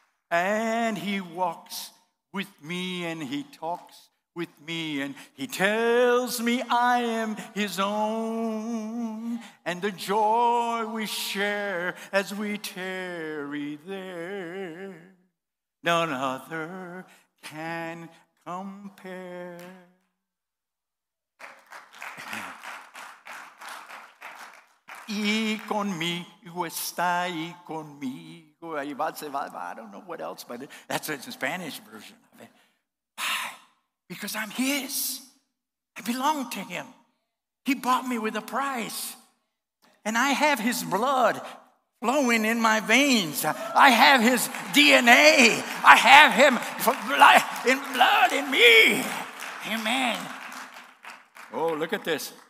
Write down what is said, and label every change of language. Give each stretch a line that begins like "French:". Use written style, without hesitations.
English: And he walks with me, and he talks with me, and he tells me I am his own, and the joy we share as we tarry there, none other can compare.
Spanish: Y conmigo está, y conmigo.
English: I don't know what else, but that's the Spanish version of it. Why? Because I'm his. I belong to him. He bought me with a price. And I have his blood flowing in my veins. I have his DNA. I have him in blood in me. Amen. Oh, look at this.